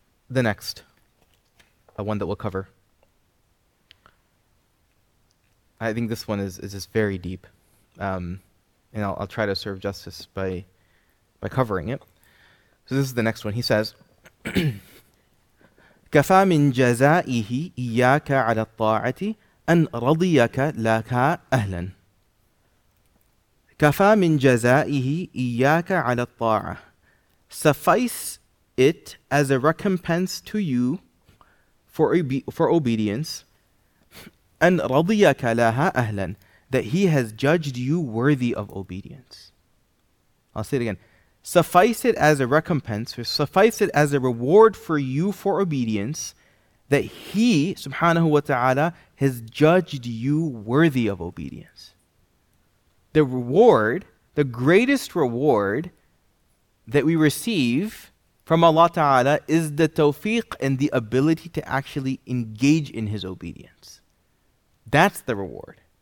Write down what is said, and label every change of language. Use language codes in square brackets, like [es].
[en] The next one that we'll cover. I think this one is just very deep. And I'll try to serve justice by covering it. So this is the next one. He says, [ar] كَفَى مِنْ جَزَائِهِ إِيَّاكَ عَلَى الطَّاعَةِ [en] أَنْ رَضِيَكَ لَكَ أَهْلًا كَفَى مِنْ جَزَائِهِ إِيَّاكَ عَلَى الطَّاعَةِ Suffice it as a recompense to you for obedience, [ar] أَنْ رَضِيَكَ لَهَا أَهْلًا [en] that He has judged you worthy of obedience. I'll say it again. Suffice it as a recompense, or suffice it as a reward for you for obedience, that He, subhanahu wa ta'ala, has judged you worthy of obedience. The reward, the greatest reward that we receive from Allah ta'ala is the tawfiq and the ability to actually engage in His obedience. That's the reward.